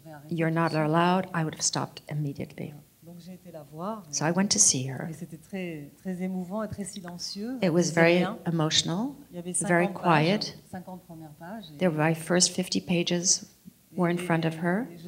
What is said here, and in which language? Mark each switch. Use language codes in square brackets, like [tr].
[en] you're not allowed. I would have stopped immediately. [fr] Donc, j'ai été la voir. [en] So I went to see her. [fr] Et c'était très, très émouvant et très silencieux. [en] It was very emotional, very quiet. There were my first 50 pages were in front of her.